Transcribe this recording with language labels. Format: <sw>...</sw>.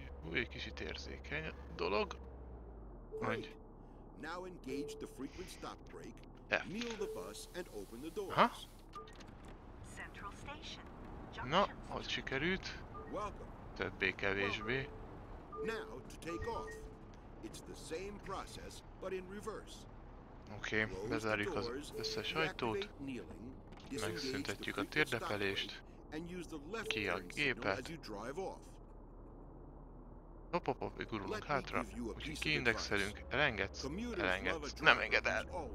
<hu>Új, kicsit érzékeny dolog. Hogy...</hu> <en>Now engage the frequent stop brake, kneel the bus and open the doors.</en> <hu>Aha. Central station. Na, hogy sikerült.</hu> <en>Welcome.</en> <hu>Többé-kevésbé.</hu> <en>Now to take off. It's the same process, but in reverse.</en> <hu>Oké, bezárjuk az összes ajtót. Megszüntetjük a térdepelést. Ki a gépet. Hop, hop, hop, gurulunk hátra. Úgyhogy kiindexelünk. Elengedsz? Elengedsz. Nem enged el.</hu>